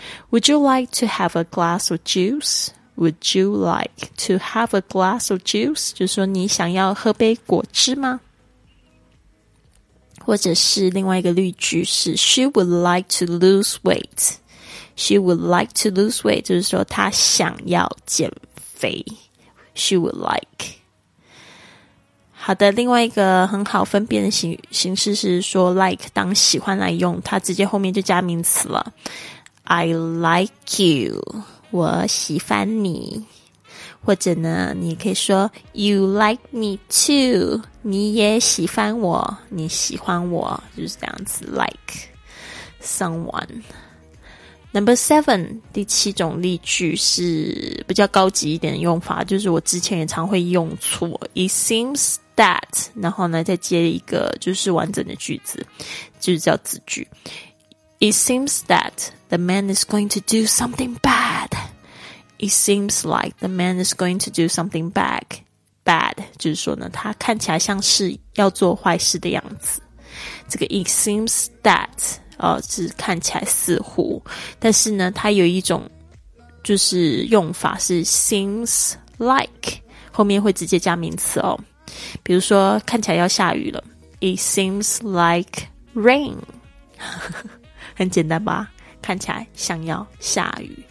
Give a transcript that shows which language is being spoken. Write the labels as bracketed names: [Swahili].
[English] Would you like to have a glass of juice? Would you like to have a glass of juice? [Chinese] 就是说你想要喝杯果汁吗？或者是另外一个例句是 She would like to lose weight. [English] She would like to lose weight. 就是说她想要减肥。 She would like. [Chinese] 好的，另外一个很好分辨的 形式是说 like 当喜欢来用，它直接后面就加名词了。 I like you. 我喜欢你，或者呢你可以说 You like me too，你也喜欢我，你喜欢我，就是这样子 like someone。 Number seven, 第七种例句是比较高级一点的用法，就是我之前也常会用错。 It seems that, 然后呢再接一个就是完整的句子，就是叫子句。 [English] It seems that the man is going to do something bad. It seems like the man is going to do something bad. [Chinese] Bad, 就是说呢他看起来像是要做坏事的样子。这个 it seems that, 是看起来似乎，但是呢它有一种就是用法是 seems like, 后面会直接加名词哦，比如说看起来要下雨了， It seems like rain 很简单吧，看起来像要下雨。